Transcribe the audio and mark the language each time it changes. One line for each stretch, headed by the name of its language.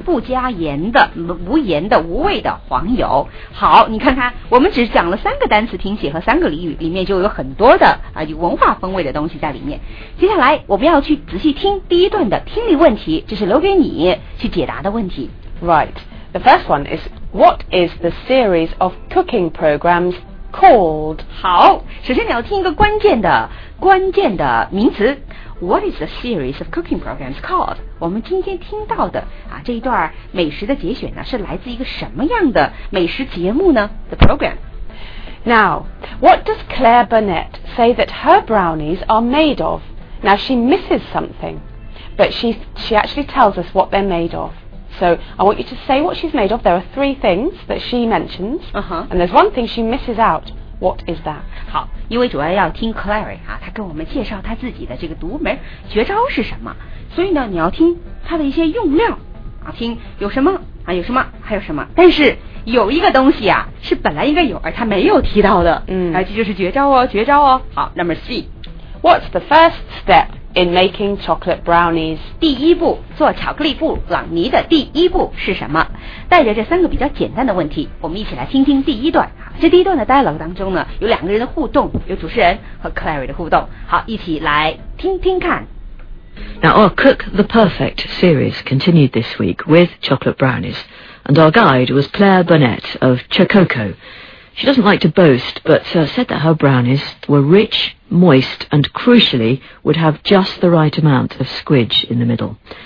Chinese: 不加盐的无盐的无味的黄油好你看看我们只是讲了三个单词听写和三个俚语，里面就有很多的啊有文化风味的东西在里面。接下来我们要去仔细听第一段的听力问题，这是留给你去解答的问题。
English: Right, the first one is what is the series of cooking programs called?
Chinese: 好，首先你要听一个关键的名词。
English: What is the series of cooking programs called?
Chinese: 我们今天听到的啊这一段美食的节选呢，是来自一个什么样的美食节目呢 ？
English: The program. Now, what does Claire Burnett say that her brownies are made of? Now, she misses something, but she actually tells us what they're made of. So, I want you to say what she's made of. There are three things that she mentions,、 uh-huh. and there's one thing she misses out. What is that?
Chinese: 好，因为主要要听 Clary 啊，她跟我们介绍她自己的这个独门绝招是什么，所以呢，你要听她的一些用料啊，听有什么。啊、有什么还有什么但是有一个东西啊是本来应该有而他没有提到的嗯这就是绝招哦好
English: Number C What's the first step in making chocolate brownies
Chinese: 第一步做巧克力布朗尼的第一步是什么带着这三个比较简单的问题我们一起来听听第一段这第一段的 dialogue 当中呢有两个人的互动有主持人和 Clary 的互动好一起来听听看
English: Now our Cook the Perfect series continued this week with chocolate brownies, and our guide was Claire Burnett of Chococo. She doesn't like to boast, but、said that her brownies were rich, moist, and crucially would have just the right amount of squidge in the middle.